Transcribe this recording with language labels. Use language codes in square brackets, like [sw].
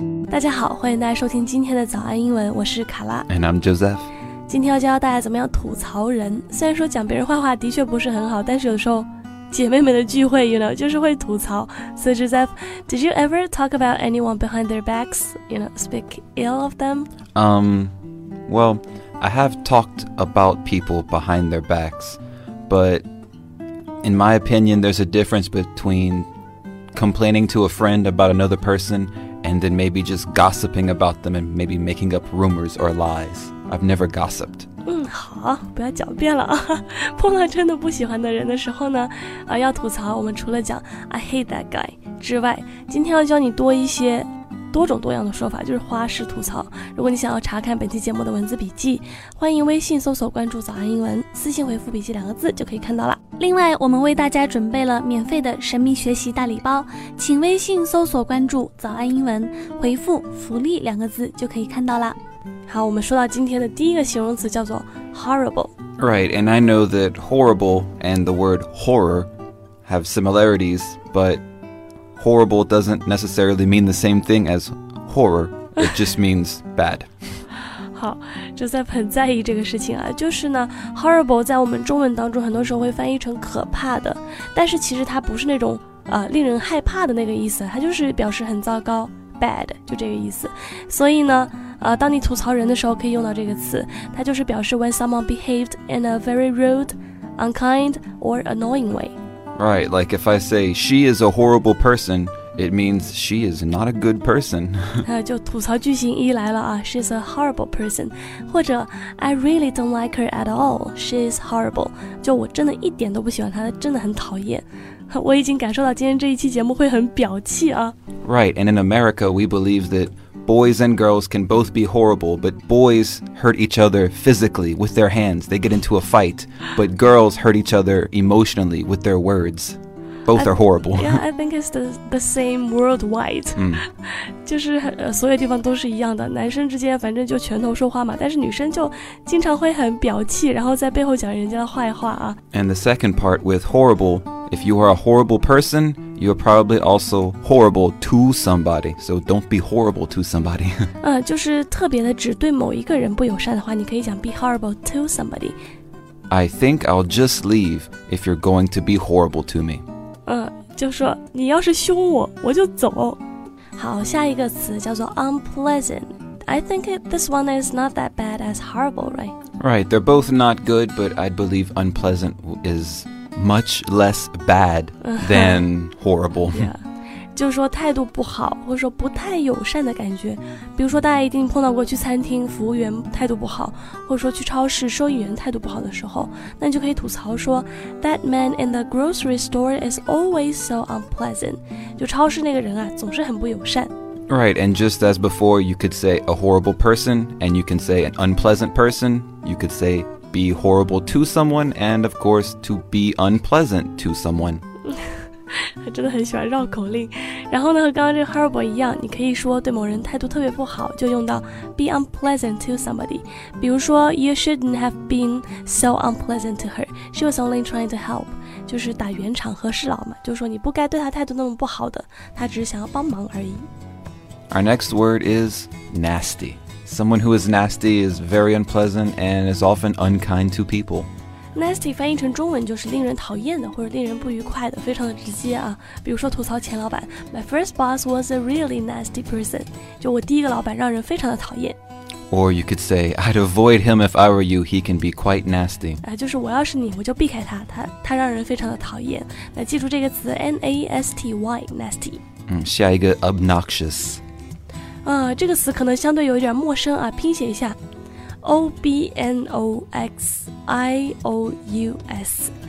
[zh] 大家好，欢迎大家收听今天的早安英文，我是卡拉。 [en] And I'm Joseph。 [zh] 今天要教大家怎么样吐槽人，虽然说讲别人坏话的确不是很好，但是有时候姐妹们的聚会 [en] you know, [zh] 就是会吐槽。 [en] So Joseph, did you ever talk about anyone behind their backs? You know, speak ill of them? Well, I have talked about people behind their backs, but in my opinion, there's a difference between complaining to a friend about another person and then maybe just gossiping about them and maybe making up rumors or lies. I've never gossiped. [zh] 好，不要狡辩了啊！碰到真的不喜欢的人的时候呢，要吐槽。我们除了讲 [en] I hate that guy [zh] 之外，今天要教你多一些多种多样的说法，就是花式吐槽。如果你想要查看本期节目的文字笔记，欢迎微信搜索关注早安英文，私信回复笔记两个字就可以看到了。另外，我们为大家准备了免费的神秘学习大礼包，请微信搜索关注早安英文，回复福利两个字就可以看到了。好，我们说到今天的第一个形容词叫做 horrible. [en] Right, and I know that horrible and the word horror have similarities, but horrible doesn't necessarily mean the same thing as horror. It just means bad. [zh] 好 ,Joseph 很在意这个事情啊，就是呢 ,horrible 在我们中文当中很多时候会翻译成可怕的，但是其实它不是那种令人害怕的那个意思，它就是表示很糟糕 ,bad, 就这个意思。所以呢当你吐槽人的时候可以用到这个词，它就是表示 [en] when someone behaved in a very rude, unkind, or annoying way. Right, like if I say she is a horrible person, it means she is not a good person. [zh] 就吐槽句型一来了啊， [en] she's a horrible person. 或者 I really don't like her at all, she's horrible. [zh] 就我真的一点都不喜欢她，真的很讨厌。我已经感受到今天这一期节目会很表气啊。 [en] Right, and in America we believe thatboys and girls can both be horrible, but boys hurt each other physically with their hands. They get into a fight, but girls hurt each other emotionally with their words. Both are horrible. Yeah, I think it's the same worldwide. [zh] 就是所有地方都是一样的，男生之间反正就拳头说话嘛，但是女生就经常会很表气，然后在背后讲人家的坏话啊。 [en] And the second part with horrible, if you are a horrible person,You're probably also horrible to somebody, so don't be horrible to somebody. [zh] 就是特别的指对某一个人不友善的话，你可以讲 [en] be horrible to somebody. I think I'll just leave if you're going to be horrible to me. [zh] 就说你要是凶我，我就走。好，下一个词叫做 unpleasant. [en] I think this one is not that bad as horrible, right? Right, they're both not good, but I believe unpleasant is... much less bad than horrible. Yeah. [zh] 就是说态度不好或者说不太友善的感觉。比如说大家一定碰到过去餐厅服务员态度不好，或者说去超市收银员态度不好的时候，那就可以吐槽说 [en] That man in the grocery store is always so unpleasant. [zh] 就超市那个人啊总是很不友善。 [en] Right, and just as before, you could say a horrible person, and you can say an unpleasant person, you could say... be horrible to someone, and of course, to be unpleasant to someone. [zh] 真的很喜欢绕口令。然后呢，和刚刚这个 horrible 一样，你可以说对某人态度特别不好，就用到 [en] be unpleasant to somebody. 比如说 you shouldn't have been so unpleasant to her. She was only trying to help. [zh] 就是打圆场和事佬嘛，就是说你不该对她态度那么不好的，她只是想要帮忙而已。 [en] Our next word is nasty. Someone who is nasty is very unpleasant and is often unkind to people. [zh] Nasty 翻译成中文就是令人讨厌的或者令人不愉快的，非常的直接啊。比如说吐槽前老板 [en] My first boss was a really nasty person. [zh] 就我第一个老板让人非常的讨厌。 [en] Or you could say, I'd avoid him if I were you, he can be quite nasty. [zh] 就是我要是你我就避开他，他让人非常的讨厌。那记住这个词 N-A-S-T-Y, nasty. 下一个 obnoxious. 这个词可能相对有点陌生啊，拼写一下 O-B-N-O-X-I-O-U-S.